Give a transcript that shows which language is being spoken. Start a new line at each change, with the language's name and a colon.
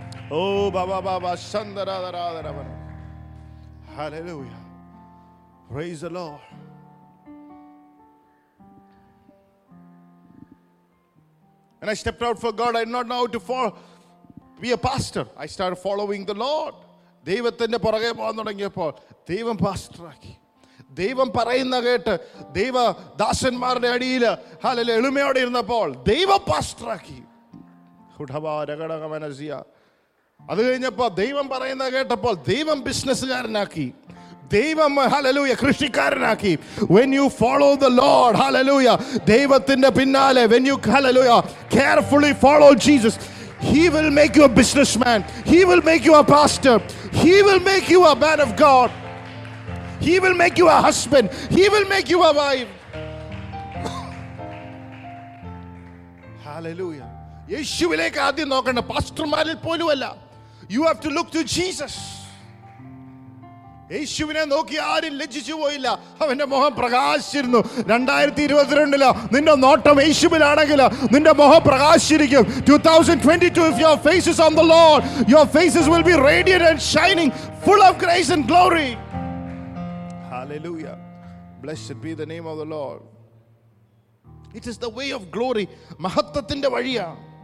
English: Oh, Baba Baba, Sandara, hallelujah. Praise the Lord. And I stepped out for God. I did not know how to be a pastor. I started following the Lord.
Malayalam: ദൈവത്തിന്റെ പുറകെ പോകാൻ തുടങ്ങിയപ്പോൾ ദൈവം പാസ്റ്ററാക്കി. ദൈവം പറയുന്ന കേട്ട് ദൈവ ദാസന്മാരുടെ അടിയിൽ ഹല്ലേലൂയ എളിമയോടെ ഇരുന്നപ്പോൾ ദൈവം പാസ്റ്ററാക്കി. മനസ്സിയ അത് കഴിഞ്ഞപ്പോൾ ദൈവം പറയുന്ന കേട്ടപ്പോൾ ദൈവം ബിസിനസ്സുകാരനാക്കി. ദൈവം hallelujah കൃഷിക്കാരനാക്കി.
English: when you follow the lord hallelujah
Malayalam: ദൈവത്തിന്റെ പിന്നാലെ,
English: When you hallelujah carefully follow Jesus, He will make you a businessman. He will make you a pastor. He will make you a man of God. He will make you a husband. He will make you a wife.
Malayalam: Hallelujah. യേശുവിലേക്ക് ആദ്യം നോക്കണം. പാസ്റ്റർമാരിൽ പോലുമല്ല.
English: You have to look to Jesus.
Malayalam: യേശുവിനെ നോക്കി ആരും ലജ്ജിച്ചു പോയില്ല. അവന്റെ മുഖം പ്രകാശിച്ചിരുന്നു. 2022 നിന്റെ നോട്ടം യേശുവിലാണെങ്കിൽ നിന്റെ മുഖം പ്രകാശിച്ചിരിക്കും.
English: 2022, if your face is on the Lord, your faces will be radiant and shining, full of grace and glory. Hallelujah. Blessed be the name of the Lord. It is the way of glory.
Malayalam: മഹത്വത്തിന്റെ വഴിയാണ്.